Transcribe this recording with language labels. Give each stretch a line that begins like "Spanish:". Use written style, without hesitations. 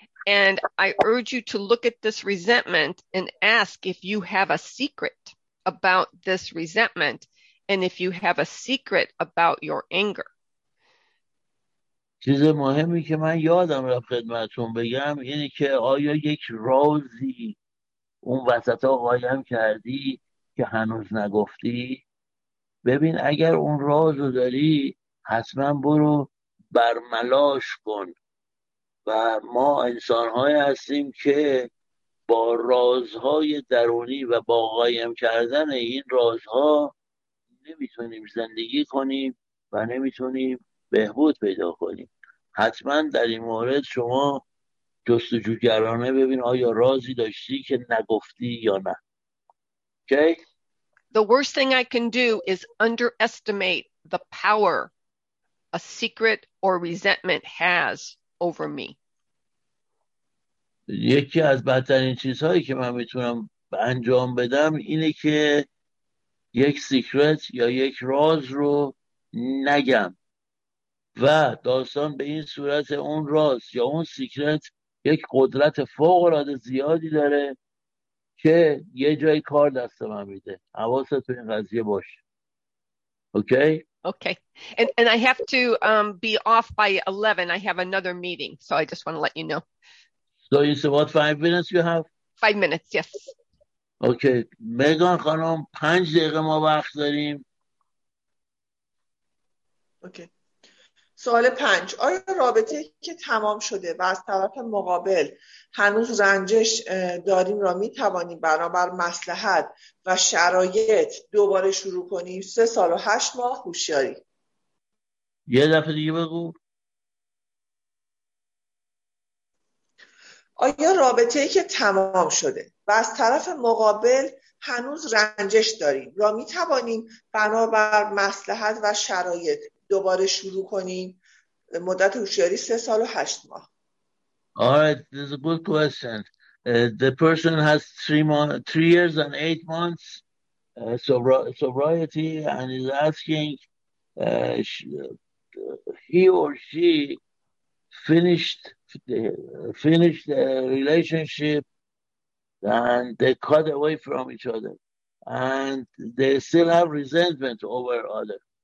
English: And I urge you to look at this resentment and ask if you have a secret about this resentment and if you have a secret about your anger.
Persian: چیز مهمی که من یادم را خدمتون بگم یعنی که آیا یک رازی اون وسط ها قایم کردی که هنوز نگفتی؟ ببین اگر اون راز رو داری حتما برو برملاش کن. و ما انسان های هستیم که با رازهای درونی و با قایم کردن این رازها نمیتونیم زندگی کنیم و نمیتونیم بهبود پیدا کنیم. حتما در این مورد شما جستجوگرانه ببین آیا رازی داشتی که نگفتی یا نه.
English: Okay? The worst thing I can do is underestimate the power a secret or resentment has over me.
Persian: یکی از بدترین چیزهایی که من میتونم انجام بدم اینه که یک سیکرت یا یک راز رو نگم و داستان به این صورت اون راز یا اون سیکرت یک قدرت فوق العاده زیادی داره که یه جای کار دست من میده. حواست تو این قضیه باشه. اوکی؟
English: Okay. And I have to be off by 11. I have another meeting, so I just want to let you know. So you said what, 5 minutes you have? 5 minutes, yes. Okay.
Persian: Megan خانم 5 دقیقه ما وقت داریم. Okay. سوال 5. آیا رابطه که تمام شده و از طرف مقابل هنوز رنجش داریم را می توانیم برابر مصلحت و شرایط دوباره شروع کنیم؟ 3 سال و 8 ماه هوشیاری. یه دفعه دیگه بگو. آیا رابطه‌ای که تمام شده و از طرف مقابل هنوز رنجش داریم را می توانیم بنابر مصلحت و شرایط دوباره شروع کنیم؟ مدت هوشیاری 3 سال و 8 ماه.
English: Alright, this is a good question. The person has three years and 8 months sobriety and is asking he or she finished the relationship and they cut away from each other and they still have resentment over other.